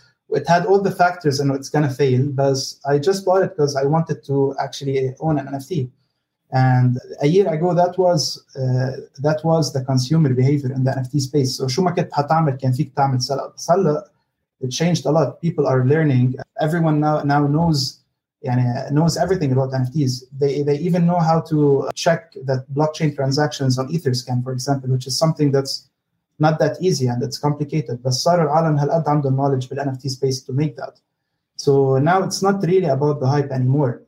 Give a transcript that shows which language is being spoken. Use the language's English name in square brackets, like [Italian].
[English] It had all the factors and it's going to fail, but I just bought it because I wanted to actually own an NFT. And a year ago, that was the consumer behavior in the NFT space. [Arabic] So شو ما كنت حتعمل كان فيك تعمل [English] sell out. هلا it changed a lot. People are learning. Everyone now knows, يعني knows everything about NFTs. They even know how to check that blockchain transactions on Etherscan, for example, which is something that's not that easy and it's complicated. But [Arabic] صار العالم هالقد عنده [English] knowledge بالNFT space to make that. So now it's not really about the hype anymore.